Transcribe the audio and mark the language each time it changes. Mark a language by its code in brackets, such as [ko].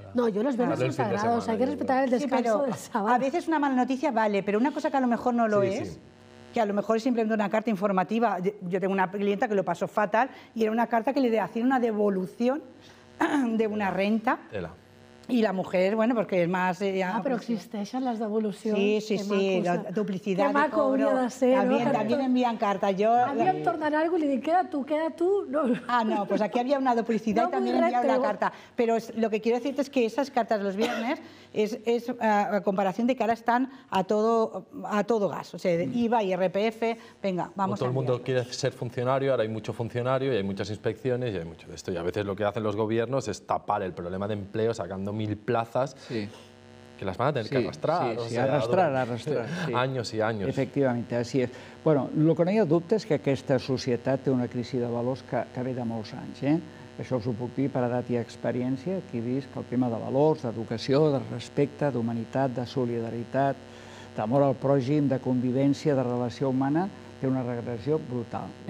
[es] No, yo los viernes son sagrados, hay que respetar el descanso del sábado. A veces una mala noticia vale, pero una cosa que a lo mejor no lo es, que a lo mejor es simplemente una carta informativa, yo tengo una clienta que lo pasó fatal, y era una carta que le hacían una devolución de una renta. I la mujer, bueno, porque es más... [ca] Ah, però existeixen les devolucions. Sí, la duplicitat. Que maco hauria de ser, no? També envien cartes. A mi em tornen alguna cosa i li dic, queda tu. Ah, no, pues aquí havia una duplicitat i també envien una carta. [es] Però lo que quiero decirte es que esas cartas los viernes es a comparación de que ara están a todo gas. O sea, IVA, IRPF, venga, vamos a enviar. Todo el mundo quiere ser funcionario, ahora hay mucho funcionario y hay muchas inspecciones y hay mucho de esto. Y a veces lo que hacen los gobiernos es tapar el problema de empleo sacando 1.000 plazas que las van a tener que arrastrar. Arrastrar. Años y años. Efectivamente, así es. [ca] Bueno, lo que no hi ha dubte és que aquesta societat té una crisi de valors que ve de molts anys. Això us ho puc dir per edat i experiència. Aquí he vist que el tema de valors, d'educació, de respecte, d'humanitat, de solidaritat, d'amor al pròxim, de convivència, de relació humana, té una regressió brutal.